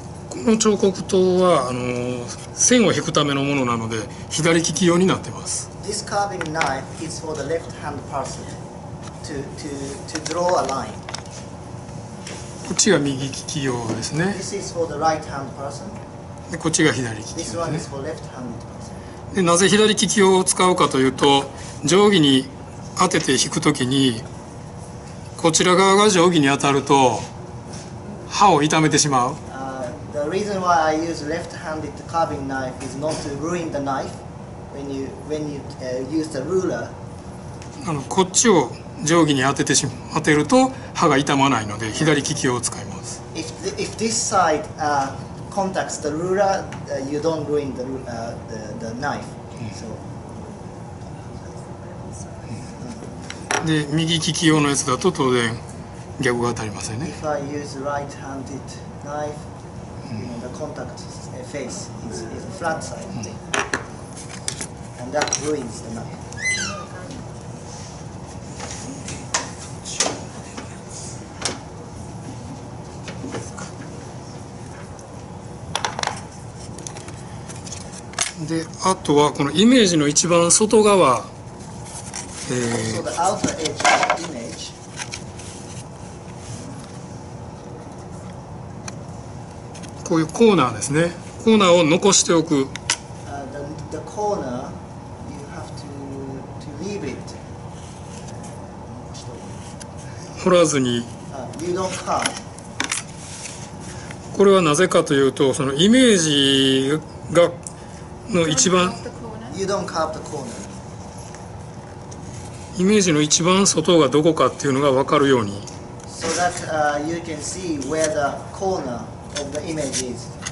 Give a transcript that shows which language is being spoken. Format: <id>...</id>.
<ja>この彫刻刀は線を引くためのものなので左利き用になってます。</ja> <en>This carving knife is for the left hand person to draw a line.</en> <ja>こっちが右利き用ですね。</ja> <en>This is for the right hand person.</en> <ja>でこっちが左利き用です</ja> <en>ね。This one is for left hand person.</en> <ja>でなぜ左利き用を使うかというと定規に当てて引くときにこちら側が定規に当たると刃を痛めてしまう。</ja> <en>The reason why I use left-handed carving knife is not to ruin the knife when you use the ruler.</en> <ja>こっちを定規に当てると刃が痛まないので左利き用を使います。</ja> <en>If this side contacts the ruler, you don't ruin the knife. So.</en> <ja>で右利き用のやつだと当然逆が当たりませんね。</ja> <en>If I use right-handed knife, the contact face is a flat side, and that ruins the knife.</en> <ja>で、あとはこのイメージの一番外側、</ja> <en>So the outer edge of the image.</en> <ja>こういうコーナーですね。コーナーを残しておく。</ja> <en>The corner, you have to leave it.</en> <ja>掘らずに。</ja> <en>You don't cut.</en> <ja>これはなぜかというと、そのイメージがの一番</ja> <en>you don't carve the corner.</en> <ja>イメージの一番外がどこかっていうのが分かるように。</ja> <en>So that, you can see where the corner of the image is.</en>